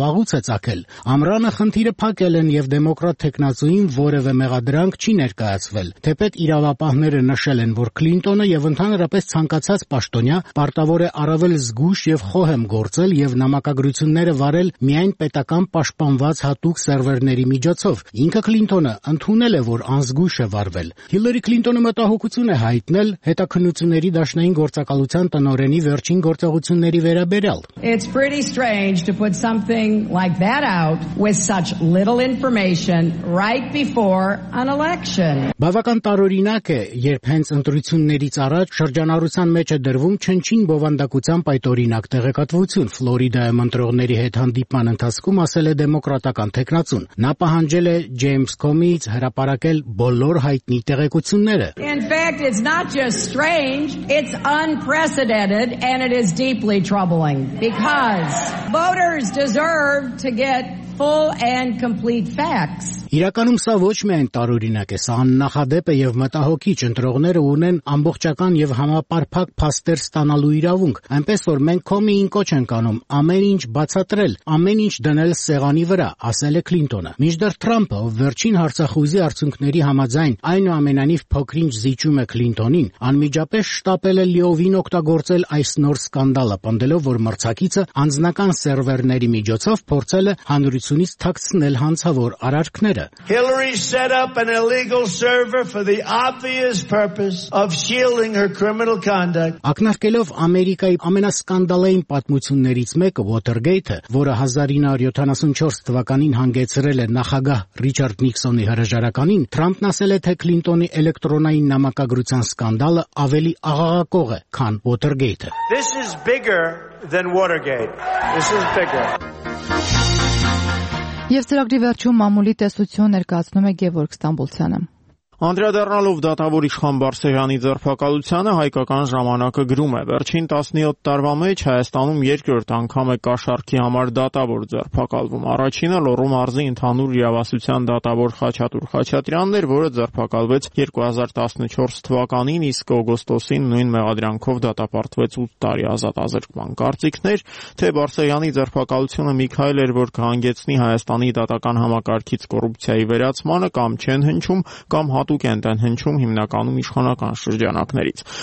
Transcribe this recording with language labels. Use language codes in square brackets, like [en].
[hy] վաղուց է ցակել։ Ամրանը խնդիրը փակել են եւ դեմոկրատ թեկնածուին որևէ մեղադրանք չի ներկայացվել։ Թեպետ իրավապահները նշել են, որ Քլինտոնը եւ ընդհանրապես ցանկացած պաշտոնյա պարտավոր է առավել զգուշ եւ խոհեմ գործել եւ նամակագրությունները վարել միայն պետական պաշտպանված հատուկ սերվերների միջոցով։ Ինքը Քլինտոնը ընդունել է, որ անզգուշ է վարվել։ Հիլերի Քլինտոնը մտահոգություն է հայտնել հետաքննությունների դաշնային գործակալության տնօրենի վերջին գործողությունների վերաբերյալ։ [en] It's pretty strange to put something like that out with such little information right before an election. [hy] Բավական տարօրինակ է, երբ հենց ընտրություններից առաջ շրջանառության մեջ է դրվում չնչին բովանդակությամբ այդ օրինակ տեղեկատվություն։ Ֆլորիդայում ընտրողների հետ հանդիպման ընթացքում ասել է դեմոկրատական թեկնածուն, նա պահանջել է Ջեյմս Կոմից հրապարակել բոլոր հայտնի տեղեկությունները։ [en] In fact, it's not just strange, it's unprecedented and it is deeply troubling. Because voters deserve to get full and complete facts. [hy] Իրականում սա ոչ միայն տարօրինակ է, սա աննախադեպ է եւ մտահոգիչ։ Ընտրողները ունեն ամբողջական եւ համապարփակ փաստեր ստանալու իրավունք, այնպես որ մենք Կոմիին կոչ ենք անում ամեն ինչ բացատրել, ամեն ինչ դնել սեղանի վրա, ասել է Քլինտոնը։ Մինչդեռ Թրամփը վերջին հարցախույզի արդյունքների համաձայն այնուամենայնիվ փոքրինչ զիջում է Քլինտոնին, անմիջապես շտապել է լիովին օգտագործել այս նոր սկանդալը, պնդելով, որ մրցակիցը անձնական սերվերների միջոցով փորձել է հանրությունից թաքցնել հանցավոր արարքը։ [en] Hillary set up an illegal server for the obvious purpose of shielding her criminal conduct. [hy] Ակնարկելով Ամերիկայի ամենասկանդալային պատմություններից մեկը Watergate-ը, որը 1974 թվականին հանգեցրել է նախագահ Ռիչարդ Նիքսոնի հրաժարականին, Թրամփն ասել է, թե Քլինտոնի էլեկտրոնային նամակագրության սկանդալը ավելի աղաղակող է, քան Watergate-ը. [en] This is bigger than Watergate. This is bigger. [hy] Եվ ծրագրի վերջում մամուլի տեսություն ներկայացնում է Գևորգ Ստամբոլցյանը։ Անդրադառնալով դատավոր Իշխան Բարսեղյանի ձերբակալությանը, հայկական ժամանակը գրում է. Վերջին 17 տարվա մեջ Հայաստանում երկրորդ անգամ է կաշառքի համար դատավոր ձերբակալվում։ Առաջինը Լոռու մարզի ընդհանուր իրավասության դատավոր Խաչատուր Խաչատրյանն էր, որը ձերբակալվեց 2014 թվականին, իսկ օգոստոսին նույն մեղադրանքով դատապարտվեց 8 տարի ազատ ազերկման։ Կարծիքներ, թե Բարսեղյանի ձերբակալությունը մի քայլ էր, որ կհանգեցնի Հայաստանի դատական համակարգից կոռուպցիայի վերացմանը, կամ չեն հնչում, կամ հատուկ են դեն հնչում հիմնականում իշխանական շրջանակներից։